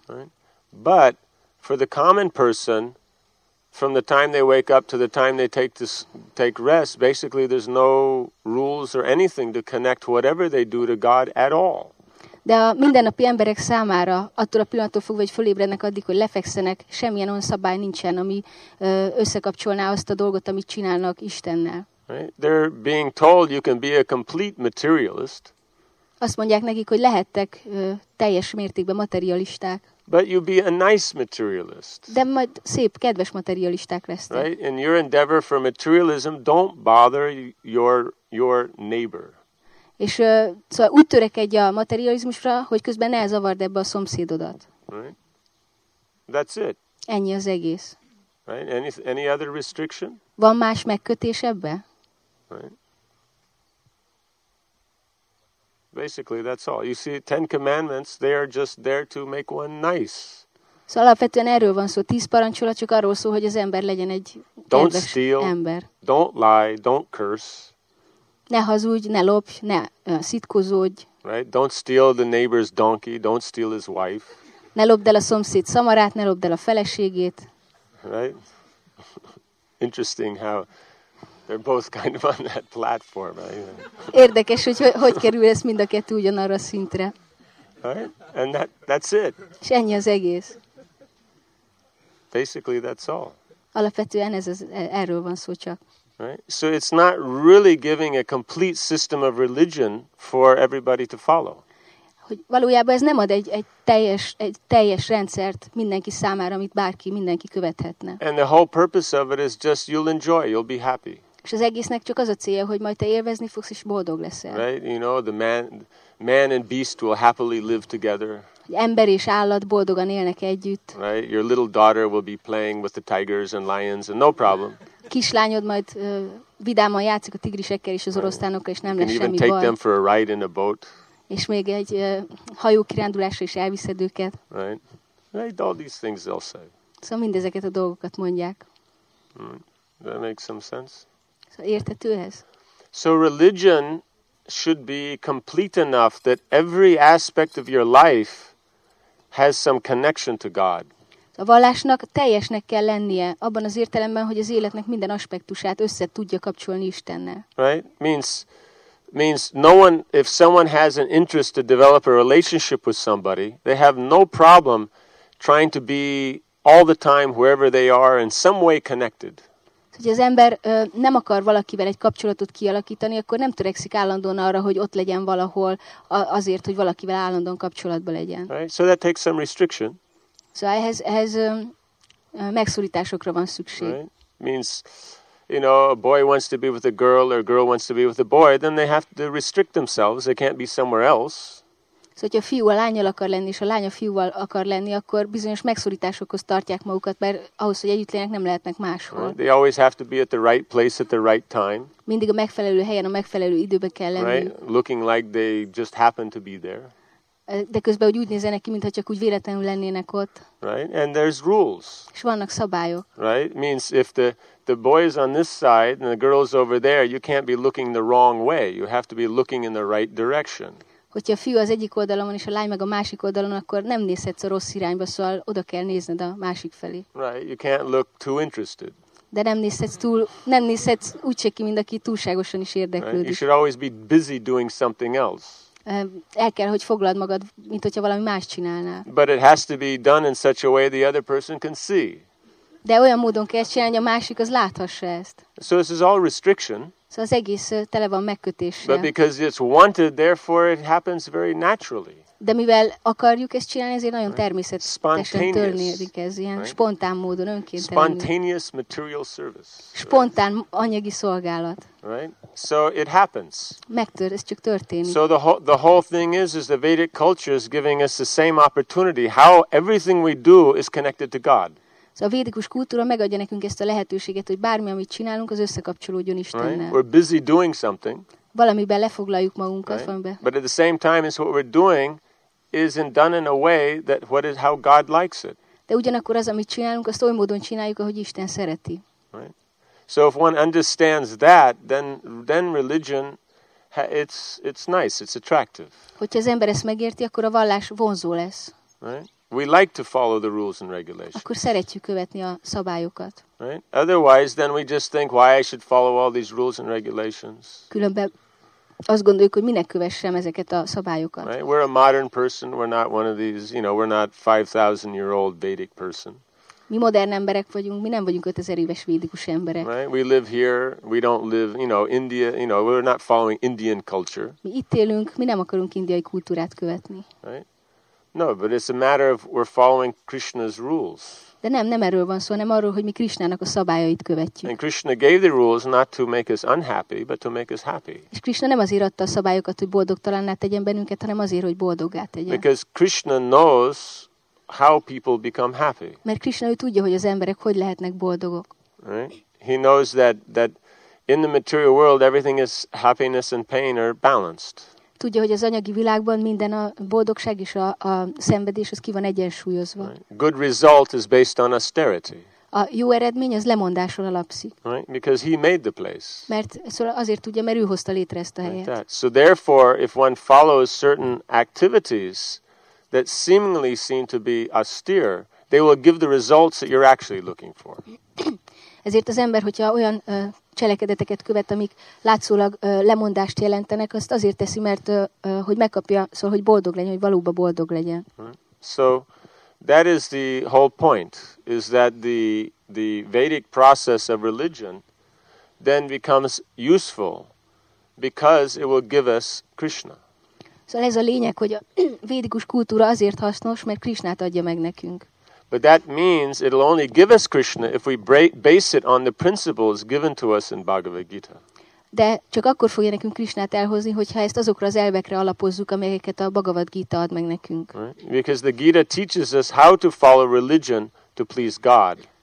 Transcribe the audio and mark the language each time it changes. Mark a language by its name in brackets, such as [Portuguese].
[English] Right. But for the common person, from the time they wake up to the time they take rest, basically there's no rules or anything to connect whatever they do to God at all. [Hungarian] De a mindennapi emberek számára, attól a pillanattól fogva, hogy fölébrednek, addig, hogy lefekszenek, semmilyen olyan szabály nincsen, ami összekapcsolná azt a dolgot, amit csinálnak Istennel. [English] Right? They're being told you can be a complete materialist. [Hungarian] Azt mondják nekik, hogy lehettek teljes mértékben materialisták. [English] But you'll be a nice materialist. [Hungarian] De majd szép, kedves materialisták lesztek. [English] Right? In your endeavor for materialism, don't bother your neighbor. [Hungarian] És szóval úgy törekedj a materializmusra, hogy közben ne zavard ebbe a szomszédodat. [English] Right. That's it. [Hungarian] Ennyi az egész. [English] Right. Any other restriction? [Hungarian] Van más megkötés ebbe? [English] Right. Basically, that's all. You see, Ten Commandments, they are just there to make one nice. [Hungarian] Szóval alapvetően erről van szó. 10 parancsolat csak arról szól, hogy az ember legyen egy [English] don't [Hungarian] kedves [English] steal, [Hungarian] ember. [English] Don't lie, don't curse. [Hungarian] Ne hazudj, ne lopj, ne szitkozódj. [English] Right? Don't steal the neighbor's donkey, don't steal his wife. [Hungarian] Ne lopd el a szomszéd szamarát, ne lopd el a feleségét. [English] Right? Interesting how they're both kind of on that platform. [Hungarian] Érdekes, hogy hogy kerül ez mind a kettő ugyanarra szintre. [English] Right? And that's it. [Hungarian] És ennyi az egész. [English] Basically, that's all. [Hungarian] Alapvetően ez az, erről van szó csak. [English] Right? So it's not really giving a complete system of religion for everybody to follow. [Hungarian] Hogy valójában ez nem ad egy teljes rendszert mindenki számára, amit bárki, mindenki követhetne. [English] And the whole purpose of it is just you'll enjoy, you'll be happy. [Hungarian] És az egésznek csak az a célja, hogy majd te élvezni fogsz és boldog leszel. [English] Right? You know, the man and beast will happily live together. [Hungarian] Egy ember és állat boldogan élnek együtt. [English] Right? Your little daughter will be playing with the tigers and lions and no problem. [Hungarian] Kislányod majd vidáman játszik a tigrisekkel és az oroszlánokkal, és nem lesz semmi baj. [English] You can even take them for a ride in a boat. [Hungarian] És még egy hajókirándulásra is elviszed őket. [English] Right. Right, all these things they'll say. [Hungarian] Szóval mindezeket a dolgokat mondják. [English] That makes some sense. [Hungarian] Szóval érthető ez? [English] So religion should be complete enough that every aspect of your life has some connection to God. [Hungarian] A vallásnak teljesnek kell lennie, abban az értelemben, hogy az életnek minden aspektusát össze tudja kapcsolni Istennel. [English] Right? Means no one, if someone has an interest to develop a relationship with somebody, they have no problem trying to be all the time wherever they are in some way connected. [Hungarian] Hogy az ember nem akar valakivel egy kapcsolatot kialakítani, akkor nem törekszik állandóan arra, hogy ott legyen valahol azért, hogy valakivel állandóan kapcsolatban legyen. [English] Right? So that takes some restriction. [Hungarian] Szóval ehhez megszorításokra van szükség. [English] Right? Means, you know, a boy wants to be with a girl, or a girl wants to be with a boy, then they have to restrict themselves, they can't be somewhere else. [Hungarian] Szóval, hogyha a fiú a lányjal akar lenni, és a lány a fiúval akar lenni, akkor bizonyos megszorításokhoz tartják magukat, mert ahhoz, hogy együtt lények, nem lehetnek máshol. [English] Right? They always have to be at the right place at the right time. [Hungarian] Mindig a megfelelő helyen, a megfelelő időben kell lenni. [English] Right? Looking like they just happen to be there. [Hungarian] De közben úgy nézenek ki, mintha csak úgy véletlenül lennének ott. [English] Right? And there's rules. [Hungarian] És vannak szabályok. [English] Right? Means if the boy is on this side and the girl is over there, you can't be looking the wrong way. You have to be looking in the right direction. [Hungarian] Hogyha a fiú az egyik oldalon és a lány meg a másik oldalon, akkor nem nézhetsz a rossz irányba, szóval oda kell nézned a másik felé. [English] Right? You can't look too interested. [Hungarian] De nem nézhetsz úgy se ki, mint aki túlságosan is érdeklődik. [English] Right? You should always be busy doing something else. [Hungarian] El kell, hogy foglald magad, mint hogyha valami más csinálnál. [English] But it has to be done in such a way the other person can see. [Hungarian] De olyan módon kell csinálni, hogy a másik az láthassa ezt. [English] So this is all restriction. [Hungarian] Szóval az egész tele van megkötéssel. [English] But because it's wanted, therefore it happens very naturally. [Hungarian] De mivel akarjuk ezt csinálni, ezért nagyon természetesen történik ez, ilyen spontán módon, önkéntelenül. [English] Spontaneous material service. [Hungarian] Spontán anyagi szolgálat. [English] Right? So it happens. [Hungarian] Ez csak történik. [English] So the whole thing is the Vedic culture is giving us the same opportunity. How everything we do is connected to God. [Hungarian] Szóval a védikus kultúra megadja nekünk ezt a lehetőséget, hogy bármi, amit csinálunk, az összekapcsolódjon Istennel. [English] Right? We're busy doing something. [Hungarian] Valamiben lefoglaljuk magunkat, [English] right? [Hungarian] Valamiben. [English] But at the same time, is what we're doing isn't done in a way that what is how God likes it. [Hungarian] De ugyanakkor az, amit csinálunk, azt oly módon csináljuk, ahogy Isten szereti. [English] Right? So if one understands that, then religion, it's nice, it's attractive. [Hungarian] Hogyha az ember ezt megérti, akkor a vallás vonzó lesz. [English] Right? We like to follow the rules and regulations. [Hungarian] Akkor szeretjük követni a szabályokat. [English] Right? Otherwise, then we just think, why I should follow all these rules and regulations? [Hungarian] Különben azt gondoljuk, hogy minek kövessem ezeket a szabályokat. [English] Right? We're a modern person. We're not one of these, you know, we're not 5,000-year-old Vedic person. [Hungarian] Mi modern emberek vagyunk. Mi nem vagyunk 5000 éves védikus emberek. [English] Right? We live here. We don't live, you know, India. You know, we're not following Indian culture. [Hungarian] Mi itt élünk. Mi nem akarunk indiai kultúrát követni. [English] Right? No, but it's a matter of we're following Krishna's rules. [Hungarian] De nem erről van szó, hanem arról, hogy mi Krishnának a szabályait követjük. [English] And Krishna gave the rules not to make us unhappy, but to make us happy. [Hungarian] És Krishna nem azért adta a szabályokat, hogy boldogtalanná tegyen bennünket, hanem azért, hogy boldoggá tegyen. [English] Because Krishna knows how people become happy. [Hungarian] Mert Krishna ő tudja, hogy az emberek hogy lehetnek boldogok. [English] Right? He knows that in the material world everything is happiness and pain are balanced. [Hungarian] Tudja, hogy az anyagi világban minden a boldogság és a szenvedés az ki van egyensúlyozva. [English] Right. Good result is based on austerity. [Hungarian] A jó eredmény az lemondáson alapszik. [English] Right? Because he made the place. [Hungarian] Mert szóval azért tudja, mert ő hozta létre ezt a helyet. [English] Right. So therefore, if one follows certain activities that seemingly seem to be austere, they will give the results that you're actually looking for. [Hungarian] Ezért az ember, hogyha olyan cselekedeteket követ, amik látszólag lemondást jelentenek, azt azért teszi, mert hogy megkapja, szóval hogy boldog legyen, hogy valóban boldog legyen. [English] So that is the whole point, is that the Vedic process of religion then becomes useful because it will give us Krishna. [Hungarian] Szóval ez a lényeg, hogy a védikus kultúra azért hasznos, mert Krishnát adja meg nekünk. [English] But that means it'll only give us Krishna if we base it on the principles given to us in Bhagavad Gita. [Hungarian] De csak akkor fogja nekünk Krishnát elhozni, hogyha ezt azokra az elvekre alapozzuk, amelyeket a Bhagavad Gita ad meg nekünk. [English] Right? Because the Gita teaches us how to follow religion to please God.